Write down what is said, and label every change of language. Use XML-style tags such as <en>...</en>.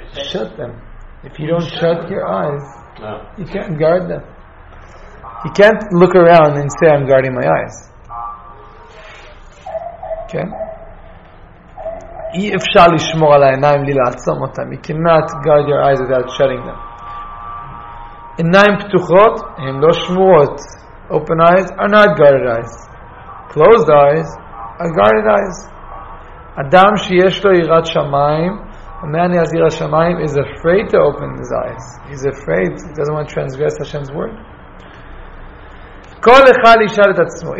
<en>Shut them. If you don't shut your eyes, no. You can't guard them. You can't look around and say, I'm guarding my eyes. Okay?</en> <he>אי אפשר לשמור על העיניים בלי לעצום אותם.</he> <en>You cannot guard your eyes without shutting them.</en> <he>עיניים פתוחות הן לא שמורות.</he> <en>Open eyes are not guarded eyes. Closed eyes are guarded eyes.</en> <he>אדם שיש לו יראת שמיים,</he> <en>a man has Yirat Shamayim is afraid to open his eyes. He's afraid. He doesn't want to transgress Hashem's word.</en> <he>Kol echad yishal et atzmo.</he>